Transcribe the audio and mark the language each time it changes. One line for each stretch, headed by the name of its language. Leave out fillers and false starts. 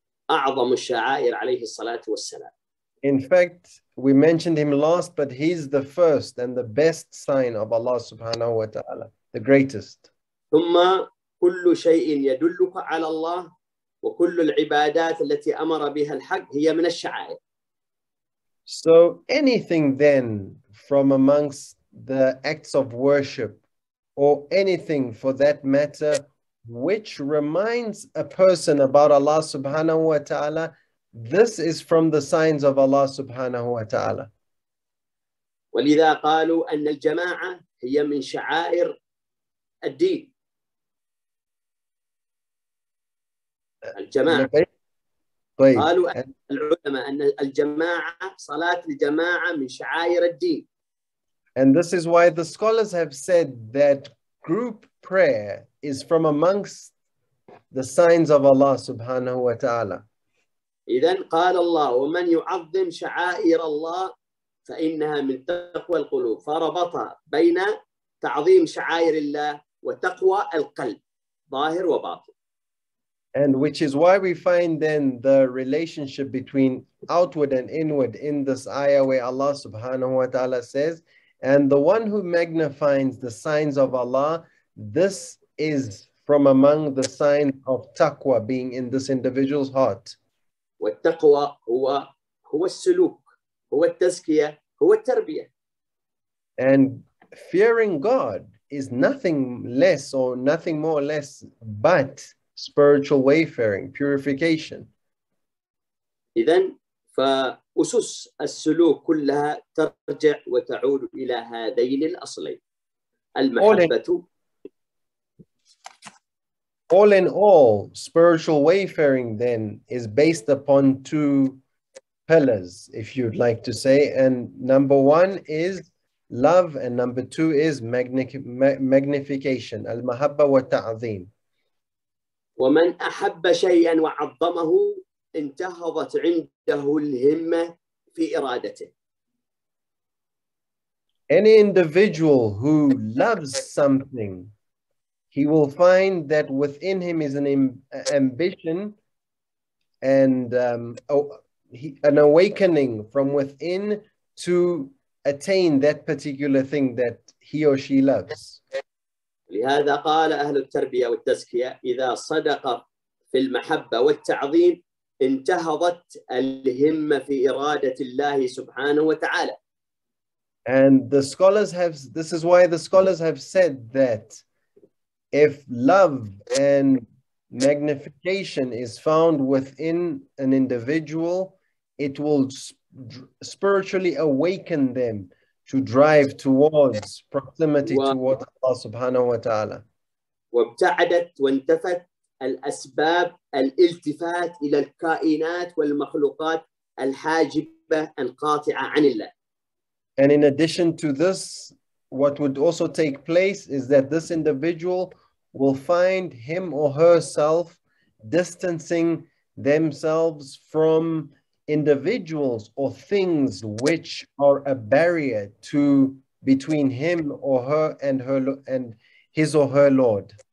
Arabic: أعظم الشعائر عليه الصلاة والسلام.
English: In fact, we mentioned him last, but he's the first and the best sign of Allah subhanahu wa ta'ala. the greatest.
Arabic: ثم كل شيء يدلك على الله وكل العبادات التي أمر بها الحق هي من الشعائر.
English: So anything then from amongst the acts of worship, or anything for that matter, which reminds a person about Allah subhanahu wa ta'ala, this is from the signs of Allah subhanahu wa ta'ala.
Arabic: ولذا قالوا أن الجماعة هي من شعائر الدين. الجماعة. قالوا العلماء أن الجماعة صلاة الجماعة من شعائر الدين.
English: And this is why the scholars have said that group prayer is from amongst the signs of Allah subhanahu wa ta'ala.
Arabic: إذن قال الله ومن يعظم شعائر الله فإنها من تقوى القلوب فربط بين تعظيم شعائر الله وتقوى القلب ظاهر وباطن.
English: And which is why we find then the relationship between outward and inward in this ayah where Allah subhanahu wa ta'ala says, and the one who magnifies the signs of Allah, this is from among the signs of taqwa being in this individual's heart.
Arabic: والتقوى هو هو السلوك هو التزكية هو التربية.
English: And fearing God is nothing less or nothing more or less but spiritual wayfaring, purification.
Arabic: إذن فأسس السلوك كلها ترجع وتعود إلى هذين الأصلين المحبة.
English: All in all, spiritual wayfaring then is based upon two pillars, if you'd like to say. And number one is love, and number two is magnification,
Arabic: al-mahabba wa ta'zeem. وَمَنْ أَحَبَّ شَيْئًا وَعَظَّمَهُ انْتَهَضَتْ عِنْدَهُ الْهِمَّةِ فِي إِرَادَتِهِ.
English: Any individual who loves something, he will find that within him is an ambition and an awakening from within to attain that particular thing that he or she loves.
Arabic: لهذا قال أهل التربية والتزكية إذا صدق في المحبة والتعظيم انتهضت الهمة في إرادة الله سبحانه وتعالى.
English: And the scholars have, this is why the scholars have said that if love and magnification is found within an individual, it will spiritually awaken them to drive towards proximity towards Allah subhanahu wa ta'ala.
Arabic: وابتعدت وانتفت الأسباب الالتفات إلى الكائنات والمخلوقات الحاجبة القاطعة عن الله.
English: And in addition to this, what would also take place is that this individual will find him or herself distancing themselves from individuals or things which are a barrier to between him or her and her and his or her Lord.